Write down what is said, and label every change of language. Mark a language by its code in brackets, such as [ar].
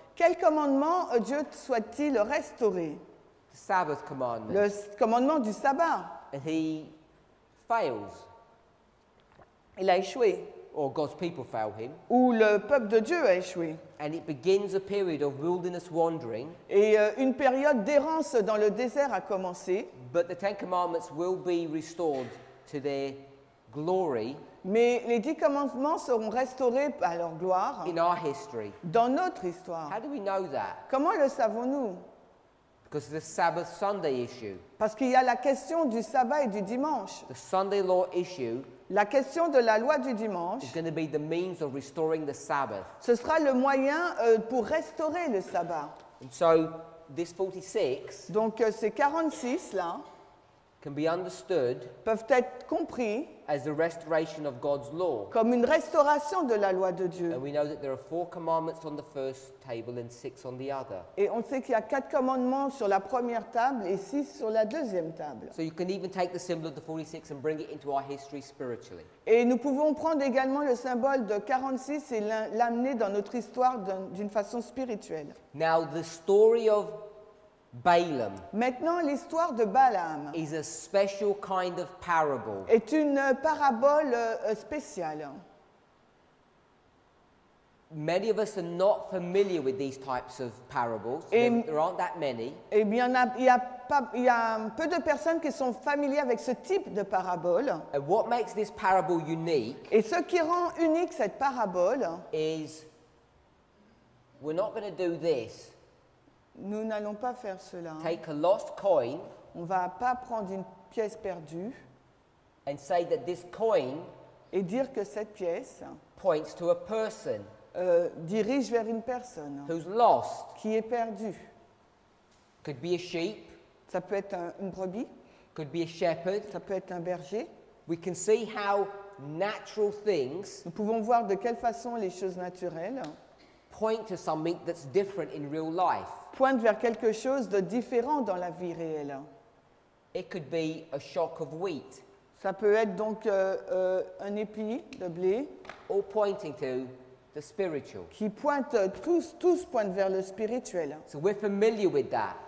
[fr] Quel commandement Dieu souhaite-t-il restaurer? [en] The Sabbath commandment. [fr] Le commandement du sabbat. [en] And he fails. [fr] Il a échoué. [en] Or God's people fail him. [fr] Ou le peuple de Dieu a échoué. [en] And it begins a period of wilderness wandering. [fr] Et une période d'errance dans le désert a commencé. [en] But the Ten Commandments will be restored to their glory. [fr] Mais les 10 commandements seront restaurés à leur gloire. [en] In our history. [fr] Dans notre histoire. [en] How do we know that? [fr] Comment le savons-nous? [en] Because of the Sabbath Sunday issue. [fr] Parce qu'il y a la question du sabbat et du dimanche. [en] The Sunday law issue. [fr] La question de la loi du dimanche. [en] It's going to be the means of restoring the Sabbath. [fr] Ce sera le moyen pour restaurer le sabbat. [en] And so this 46. [fr] Donc ces 46 là. [en] Can be understood. [fr] Peuvent être compris. [en] As the restoration of God's law. [fr] Comme une restauration de la loi de Dieu. [en] And we know that there are 4 commandments on the first table and 6 on the other. [fr] Et on sait qu'il y a 4 commandements sur la première table et 6 sur la deuxième table. [en] So you can even take the symbol of the 46 and bring it into our history spiritually. [fr] Et nous pouvons prendre également le symbole de 46 et l'amener dans notre histoire d'une façon spirituelle. [en] Now the story of Balaam. [fr] Maintenant, l'histoire de Balaam [en] is a special kind of parable. [fr] Est une parabole spéciale. [en] Many of us are not familiar with these types of parables. Et there aren't that many. [fr] Et bien, il y a peu de personnes qui sont familières avec ce type de parabole. [en] And what makes this parable unique? [fr] Et ce qui rend unique cette parabole [en] is we're not going to do this. [fr] Nous n'allons pas faire cela. [en] Take a lost coin. [fr] On va pas prendre une pièce perdue. [en] And say that this coin. [fr] Et dire que cette pièce. [en] Points to a person. [fr] Dirige vers une personne. [en] Who's lost. [fr] Qui est perdue. [en] Could be a sheep. [fr] Ça peut être une brebis. [en] Could be a shepherd. [fr] Ça peut être un berger. [en] We can see how natural things. [fr] Nous pouvons voir de quelle façon les choses naturelles. [en] point to something that's different in real life. [fr] Pointe vers quelque chose de différent dans la vie réelle. [en] It could be a shock of wheat. [fr] Ça peut être donc un épi de blé. [en] Or pointing to the spiritual. [fr] Qui pointe tous pointent vers le spirituel. [en] So we're familiar with that.